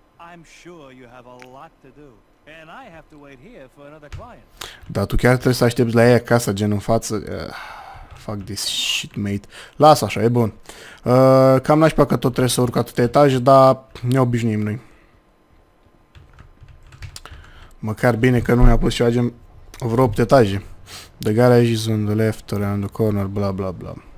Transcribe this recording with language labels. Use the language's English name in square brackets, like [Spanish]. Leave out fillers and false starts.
[English] I'm sure you have a lot to do and I have to wait here for another client. [Romanian] Dar tu chiar trebuie să aștepți la ei acasă, gen în față. [English] Fuck this shit, mate. [Romanian] Lasă așa, e bun. Cam nașpa că tot trebuie să urc atâtea etaje, dar ne obișnuim noi. Măcar bine că nu mi-a pus și agent vreo 8 etaje. [English] The garage is on the left, around the corner, bla bla bla.